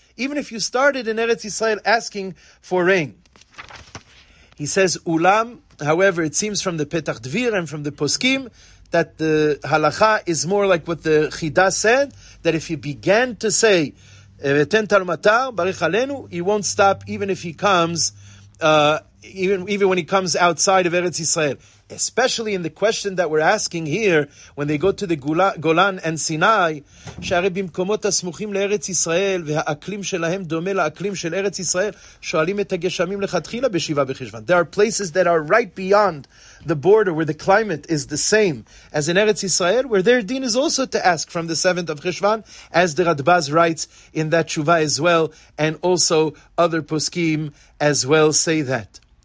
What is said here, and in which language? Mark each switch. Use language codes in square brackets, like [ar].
[en] Even if you started in Eretz Israel asking for rain. He says, [he] אולם, [en] however, it seems from the Petach Dvir and from the Poskim, that the halacha is more like what the Chida said, that if he began to say, [he] "Eten talmatar, barich alenu," [en] he won't stop even if he comes, even when he comes outside of Eretz Yisrael. Especially in the question that we're asking here, when they go to the Golan and Sinai, [he] שהרי במקומות הסמוכים לארץ ישראל, והאקלים שלהם דומה לאקלים של ארץ ישראל, שואלים את הגשמים לכתחילה בשבעה בחשבן. [en] There are places that are right beyond the border where the climate is the same as in Eretz Yisrael, where their din is also to ask from the 7th of Cheshvan, as the Radbaz writes in that Tshuva as well, and also other poskim as well say that.